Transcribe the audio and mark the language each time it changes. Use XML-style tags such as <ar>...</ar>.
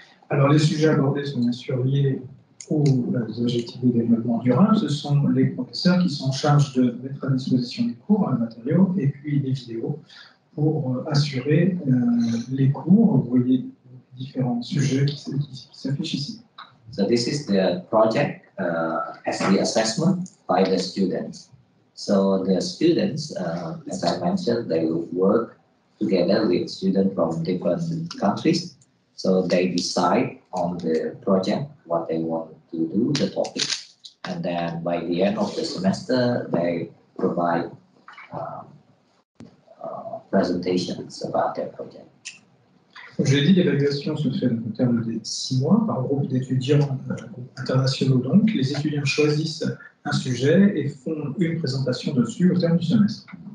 <fr>Alors, les sujets abordés sont bien sûr liés aux objectifs de développement durable. Ce sont les professeurs qui sont en charge de mettre à disposition les cours, les matériaux et puis les vidéos pour assurer les cours. Vous voyez différents sujets qui s'affichent ici.</fr> <en>So this is the project as the assessment by the students. So the students, as I mentioned, they will work together with students from different countries. So they decide on the project, what they want to do, the topic. And then by the end of the semester, they provide presentations about their project.</en> <fr>Je l'ai dit, l'évaluation se fait au terme de 6 mois par groupe d'étudiants internationaux. Donc, les étudiants choisissent un sujet et font une présentation dessus au terme du semestre.</fr>